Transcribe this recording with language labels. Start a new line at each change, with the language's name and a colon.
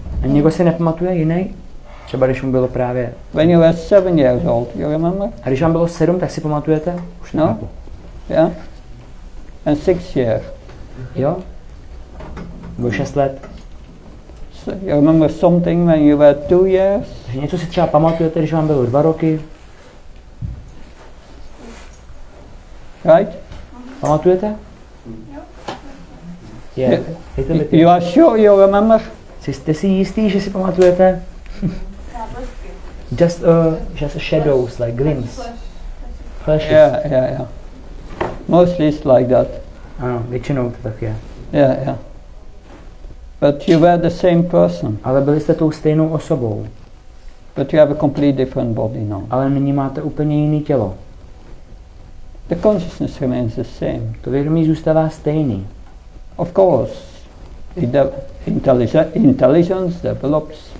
Czech: A někdo si nepamatuje jiný? Třeba když mu bylo právě...
English: When you were 7 years old, you remember?
Czech: A když vám bylo 7, tak si pamatujete? Už
English: no. Yeah. And 6 years.
Czech: Jo? Bylo 6 let.
English: So you remember something when you were 2 years?
Czech: Že něco si třeba pamatujete, když vám bylo 2 roky?
English: Right?
Czech: Pamatujete?
English: Yeah. You are sure you remember?
Czech: Jste si jistý, že si pamatujete?
English: Just shadows, like glimpse. Flashes. Yeah. Mostly it's like that.
Czech: Ano, většinou to tak je.
English: Yeah. But you were the same person.
Czech: Ale byli jste tou stejnou osobou.
English: But you have a completely different body now.
Czech: Ale nyní máte úplně jiné tělo.
English: The consciousness remains the same.
Czech: To vědomí zůstává stejný.
English: Of course, the intelligence develops.